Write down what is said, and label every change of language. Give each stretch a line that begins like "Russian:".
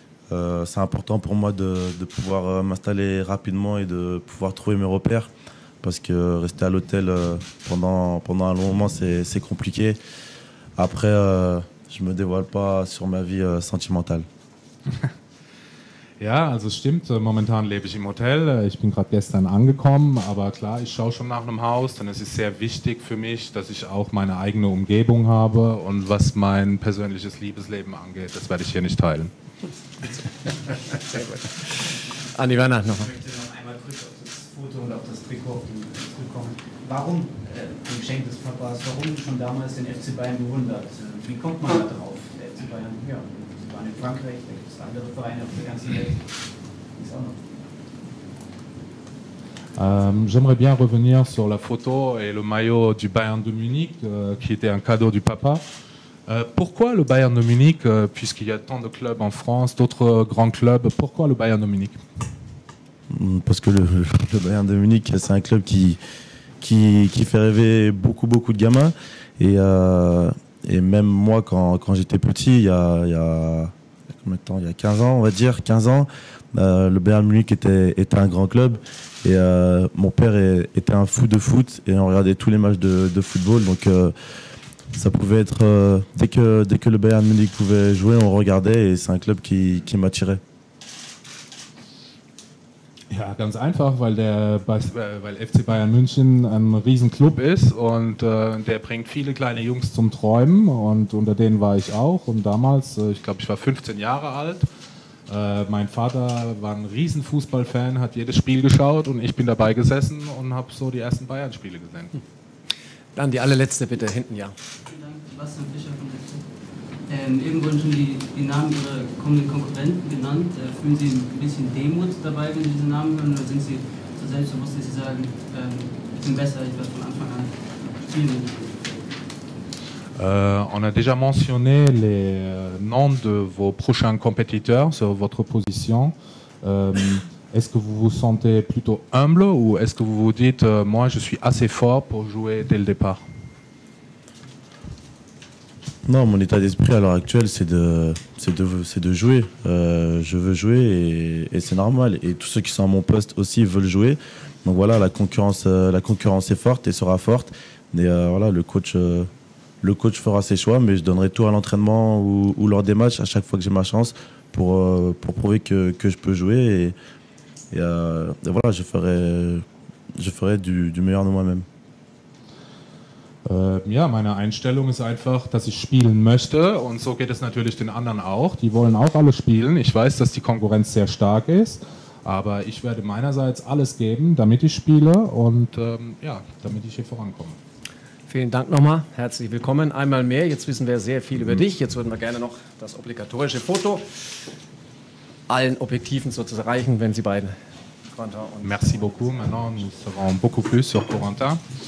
French: C'est important pour moi de pouvoir m'installer rapidement et de pouvoir trouver mes repères parce que rester à l'hôtel pendant un long moment, c'est compliqué. Après, je ne me dévoile pas sur ma vie sentimentale.
German: Ja, also es stimmt, momentan lebe ich im Hotel. Ich bin gerade gestern angekommen, aber klar, ich schaue schon nach einem Haus, denn es ist sehr wichtig für mich, dass ich auch meine eigene Umgebung habe und was mein persönliches Liebesleben angeht, das werde ich hier nicht teilen. Sehr gut. Andi Werner nochmal. Ich möchte noch einmal kurz auf das Foto und auf das Trikot auf den Trikot kommen. Warum, dem Geschenk des Papas, warum schon damals den FC Bayern bewundert? Wie kommt man da drauf? Der FC Bayern, ja, Sie waren in Frankreich, da gibt es andere Vereine auf der ganzen Welt. Ist auch noch.
French: J'aimerais bien revenir sur la photo et le maillot du Bayern de Munich, qui était un cadeau du papa. Pourquoi le Bayern de Munich, puisqu'il y a tant de clubs en France, d'autres grands clubs, pourquoi le Bayern de Munich? Parce que le Bayern de Munich, c'est un club qui fait rêver beaucoup, beaucoup de gamins. Et même moi, quand j'étais petit, il y a 15 ans, on va dire, 15 ans, le Bayern de Munich était un grand club. Et mon père était un fou de foot et on regardait tous les matchs de football. Donc, ça pouvait être dès que le Bayern Munich pouvait jouer, on regardait et c'est un club qui m'attirait.
German: Ja, ganz einfach, weil FC Bayern München ein riesen Club ist und der bringt viele kleine Jungs zum Träumen und unter denen war ich auch und damals, ich glaube, ich war 15 Jahre alt. Mein Vater war ein riesen Fußballfan, hat jedes Spiel geschaut und ich bin dabei gesessen und habe so die ersten Bayern Spiele gesehen. Dann die allerletzte bitte, hinten, ja. Vielen Dank, Sebastian Fischer von der FC. Eben wurden schon die Namen Ihrer kommenden Konkurrenten genannt. Fühlen Sie ein bisschen Demut dabei, wenn Sie diese Namen hören, oder sind Sie so selbstbewusst, dass Sie sagen, ich bin besser, ich war von Anfang an viel mehr.
French: On a déjà mentionné les noms de vos prochains compétiteurs sur votre position. Est-ce que vous vous sentez plutôt humble ou est-ce que vous vous dites « moi, je suis assez fort pour jouer dès le départ » ? Non, mon état d'esprit à l'heure actuelle, c'est de jouer. Je veux jouer et c'est normal. Et tous ceux qui sont à mon poste aussi veulent jouer. Donc voilà, la concurrence est forte et sera forte. Et voilà, le coach fera ses choix, mais je donnerai tout à l'entraînement ou lors des matchs à chaque fois que j'ai ma chance pour prouver que je peux jouer et voilà, je ferai du meilleur de moi-même.
German: Ja, meine Einstellung ist einfach, dass ich spielen möchte und so geht es natürlich den anderen auch. Die wollen auch alle spielen. Ich weiß, dass die Konkurrenz sehr stark ist, aber ich werde meinerseits alles geben, damit ich spiele und damit ich hier vorankomme. Vielen Dank nochmal. Herzlich willkommen. Einmal mehr. Jetzt wissen wir sehr viel über dich. Jetzt würden wir gerne noch das obligatorische Foto allen Objektiven sozusagen reichen, wenn Sie beide.
French: Corentin und merci beaucoup. Maintenant, nous serons beaucoup plus sur Corentin.